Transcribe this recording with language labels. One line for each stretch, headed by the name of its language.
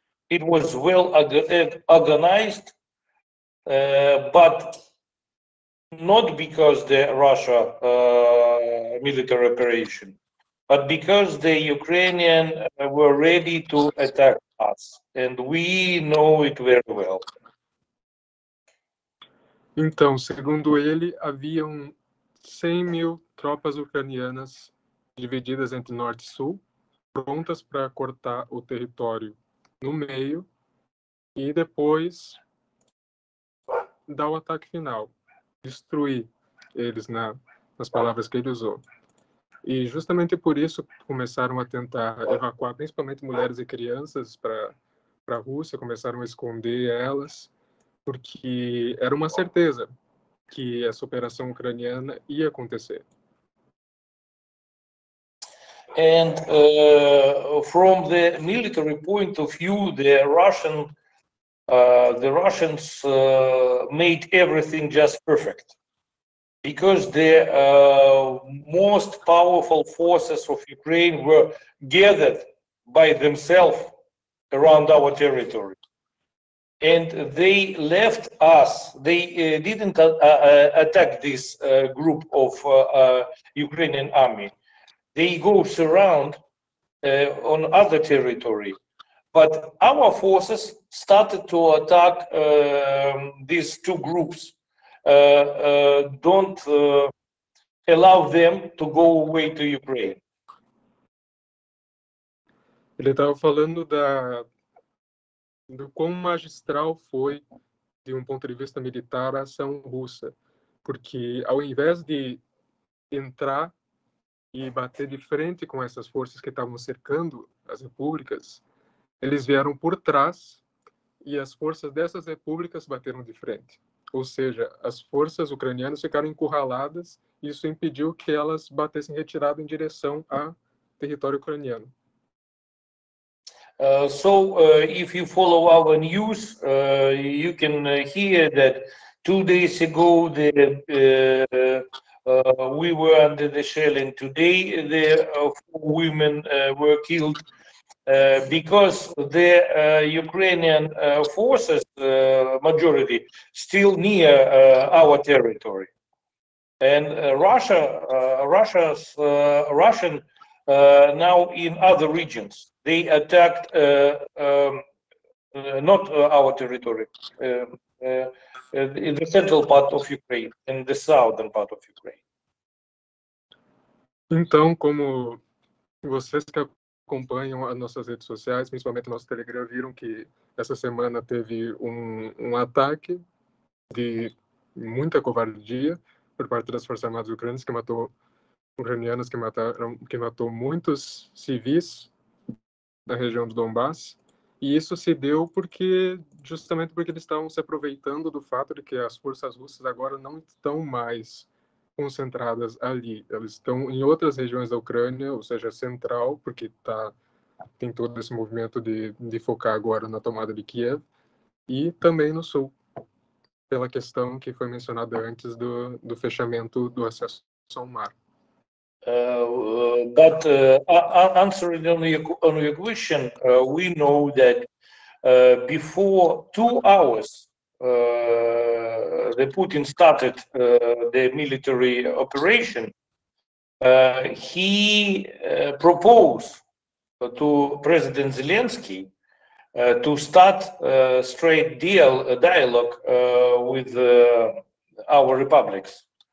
English: It was well organized, but not because the Russia military operation, but because the Ukrainian were ready to attack us. And we know it very well.
Portuguese: Então, segundo ele, haviam 100 mil tropas ucranianas divididas entre norte e sul, prontas para cortar o território no meio e depois dar o ataque final, destruir eles, né, nas palavras que ele usou. E justamente por isso começaram a tentar evacuar principalmente mulheres e crianças para a Rússia, começaram a esconder elas, porque era uma certeza que essa operação ucraniana ia acontecer.
English: And from the military point of view, the Russians made everything just perfect, because the most powerful forces of Ukraine were gathered by themselves around our territory. And they left us, they didn't attack this group of Ukrainian army. They go surround on other territory. But our forces started to attack these two groups, don't allow them to go away to Ukraine.
Portuguese: Ele estava falando do quão magistral foi, de um ponto de vista militar, a ação russa. Porque, ao invés de entrar e bater de frente com essas forças que estavam cercando as repúblicas, eles vieram por trás e as forças dessas repúblicas bateram de frente. Ou seja, as forças ucranianas ficaram encurraladas e isso impediu que elas batessem retirada em direção ao território ucraniano.
English: If you follow our news, you can hear that 2 days ago we were under the shelling. Today the four women were killed because the Ukrainian forces, majority, still near our territory, and Russian now in other regions. They attacked not our territory, in the central part of Ukraine, in the southern part of Ukraine.
Portuguese: Então, como vocês que acompanham as nossas redes sociais, principalmente nosso Telegram, viram que essa semana teve um ataque de muita covardia por parte das Forças Armadas Ucranianas, que matou muitos civis da região do Donbass, e isso se deu porque eles estavam se aproveitando do fato de que as forças russas agora não estão mais concentradas ali. Elas estão em outras regiões da Ucrânia, ou seja, central, porque tem todo esse movimento de focar agora na tomada de Kiev, e também no sul, pela questão que foi mencionada antes do fechamento do acesso ao mar.
English: But answering on your question, we know that before 2 hours the Putin started the military operation, he proposed to President Zelensky to start a straight deal, a dialogue with our republics.